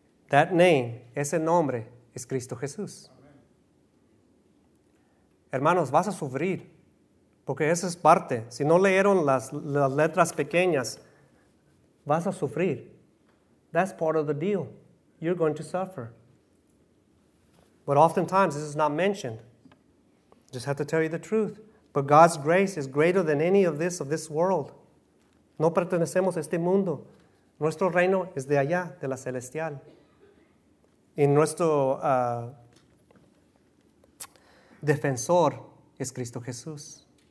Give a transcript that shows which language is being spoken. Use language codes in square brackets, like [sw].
[en] That name, [es] ese nombre, es Cristo Jesús. Amen. Hermanos, vas a sufrir, porque esa es parte. Si no leyeron las letras pequeñas, vas a sufrir. [en] That's part of the deal. You're going to suffer. But oftentimes, this is not mentioned. Just have to tell you the truth. But God's grace is greater than any of this world. [es] No pertenecemos a este mundo. Nuestro reino es de allá, de la celestial. Y nuestro defensor es Cristo Jesús.